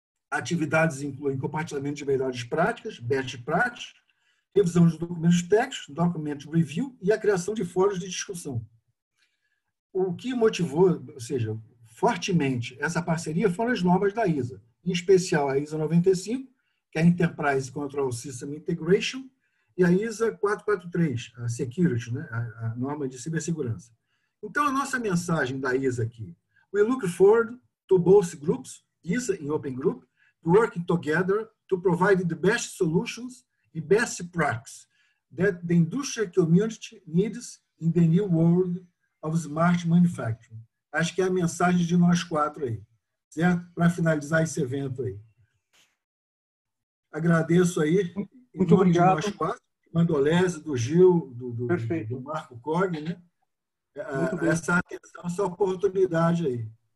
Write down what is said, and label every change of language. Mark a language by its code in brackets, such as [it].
[pt] Atividades incluem compartilhamento de melhores práticas, [en] best practices, [pt] revisão de documentos técnicos, [en] document review [pt] e a criação de fóruns de discussão. O que motivou, ou seja, fortemente essa parceria foram as normas da ISA, em especial a ISA 95, que é a Enterprise Control System Integration, e a ISA 443, a Security, né? A norma de cibersegurança. Então, a nossa mensagem da ISA aqui, [en] we look forward to both groups, ISA e Open Group, to work together to provide the best solutions and best practices that the industrial community needs in the new world of smart manufacturing. [pt] Acho que é a mensagem de nós quatro aí, certo? Para finalizar esse evento aí. Agradeço aí. Muito obrigado. Nós quatro, Mandolese, do Gil, do Marco Cog, né? Essa atenção, essa oportunidade aí.